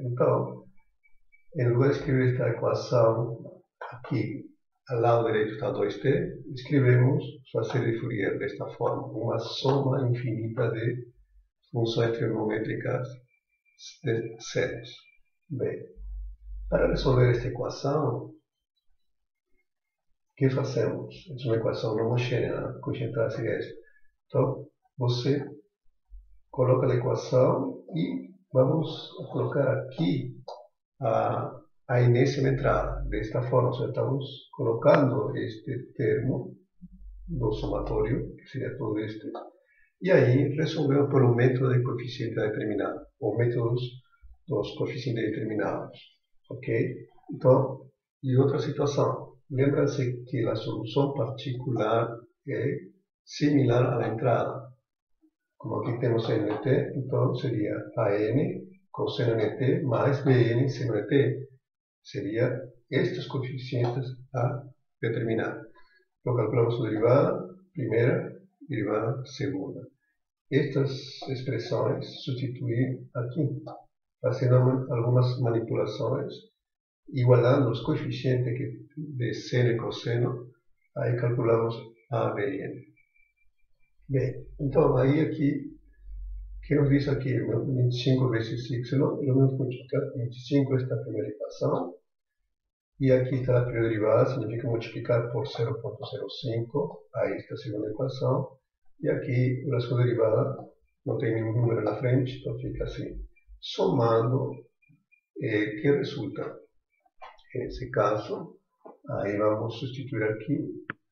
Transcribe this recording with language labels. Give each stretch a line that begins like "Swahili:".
Spanish: Entonces, en lugar de escribir esta ecuación aquí, al lado derecho está 2t, escribimos la serie de Fourier de esta forma, una suma infinita de
Portuguese: funções trigonométricas de zeros. Bem, para resolver esta equação, o que fazemos? É uma equação não homogênea, cuja entrada seria esta. Então, você coloca a equação e vamos colocar aqui a enésima entrada. Desta forma, só estamos colocando este termo do somatório, que seria todo este. E aí, resolveu por um método de coeficiente determinado, ou métodos dos coeficientes determinados. Ok? Então, e outra situação. Lembra-se que a solução particular é similar à entrada. Como aqui temos nt, então seria an cosseno nt mais bn seno nt. Seria estes coeficientes a determinar. Então, calculamos a derivada, primeira, derivada, segunda.
Spanish: Estas expresiones sustituir aquí, haciendo algunas manipulaciones, igualando los coeficientes de seno y coseno, ahí calculamos A, B y N. Bien, entonces ahí aquí, ¿qué nos dice aquí? 25 veces Y, ¿no? Lo mismo que 25 es la primera ecuación, y aquí está la primera derivada, significa multiplicar por 0.05, ahí está la segunda ecuación.
Portuguese: E aqui, a sua derivada não tem nenhum número na frente, então fica assim. Somando, que resulta? Nesse caso, aí vamos substituir aqui.